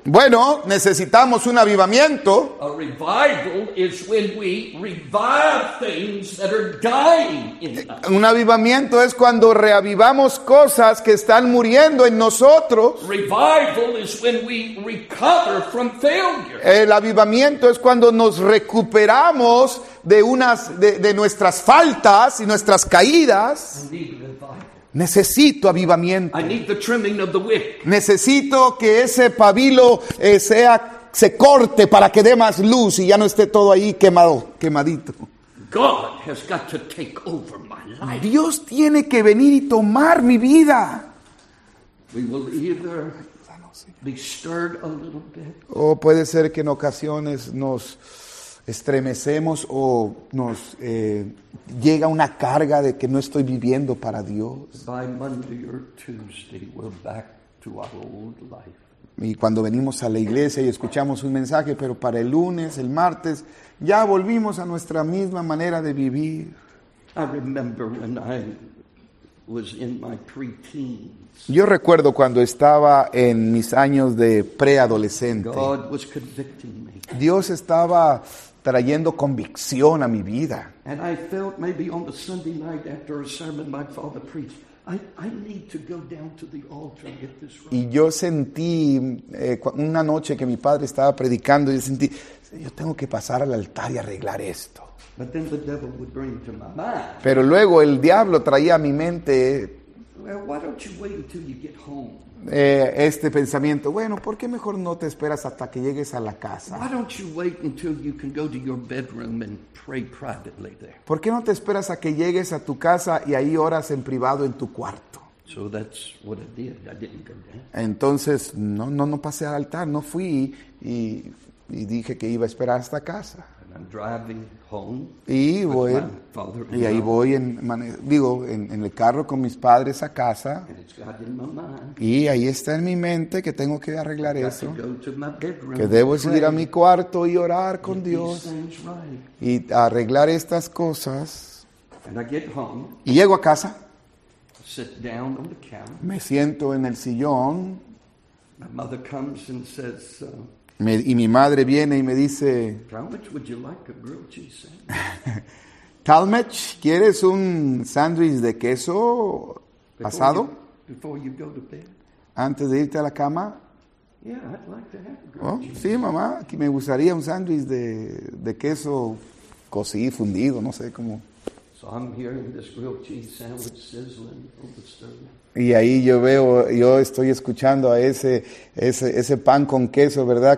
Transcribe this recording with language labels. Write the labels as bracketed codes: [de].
[es] Bueno, necesitamos un avivamiento. [en] A revival is when we revive things that are dying in us. [es] Un avivamiento es cuando reavivamos cosas que están muriendo en nosotros. [en] Revival is when we recover from failure. [es] El avivamiento es cuando nos recuperamos de nuestras faltas y nuestras caídas. Necesito avivamiento. [en] I need the trimming of the wick. [es] Necesito que ese pabilo se corte para que dé más luz y ya no esté todo ahí quemadito. [en] God has got to take over my life. [es] Dios tiene que venir y tomar mi vida. [en] We will either be stirred a little bit. [es] O puede ser que en ocasiones nos estremecemos o nos llega una carga de que no estoy viviendo para Dios. [en] By Monday or Tuesday, we're back to our old life. [es] Y cuando venimos a la iglesia y escuchamos un mensaje, pero para el lunes, el martes, ya volvimos a nuestra misma manera de vivir. [en] I remember when I was in my pre-teens. [es] Yo recuerdo cuando estaba en mis años de preadolescente. [en] God was convicting me. [es] Dios estaba trayendo convicción a mi vida. [en] And I felt maybe on the Sunday night after a sermon my father preached, I need to go down to the altar and get this right. [es] Y yo sentí una noche que mi padre estaba predicando, yo sentí, yo tengo que pasar al altar y arreglar esto. [en] But then the devil would bring to my mind. [es] Pero luego el diablo traía a mi mente, [en] well, why don't you wait until you get home? [es] este pensamiento, bueno, ¿por qué mejor no te esperas hasta que llegues a la casa? [en] Why don't you wait until you can go to your bedroom and pray privately there? [es] ¿Por qué no te esperas a que llegues a tu casa y ahí oras en privado en tu cuarto? [en] So that's what I did. I didn't go down. [es] Entonces, no pasé al altar, no fui y dije que iba a esperar hasta casa. [en] And I'm driving home [es] y voy, [en] with my father-in-law. [es] Y ahí voy en el carro con mis padres a casa. [en] And it's got in my mind. [es] Y ahí está en mi mente que tengo que arreglar eso. [en] To go to my bedroom, [es] que debo ir a mi cuarto y orar con Dios. [en] Right. [es] Y arreglar estas cosas. [en] And I get home, [es] y llego a casa. [en] Sit down on the couch. [es] Me siento en el sillón. [en] My mother comes and says, [es] Y mi madre viene y me dice, [en] Talmadge, would you like a grilled cheese sandwich? [es] Talmadge, ¿quieres un sándwich de queso asado? [en] Before you go to bed. [es] Antes de irte a la cama. [en] Yeah, I'd like to have a grilled cheese. [es] Sí, mamá, que me gustaría un sándwich de queso cocido, fundido, no sé cómo. [en] So I'm hearing this grilled cheese sandwich sizzling on the stove. [es] Y ahí yo estoy escuchando a ese pan con queso, ¿verdad?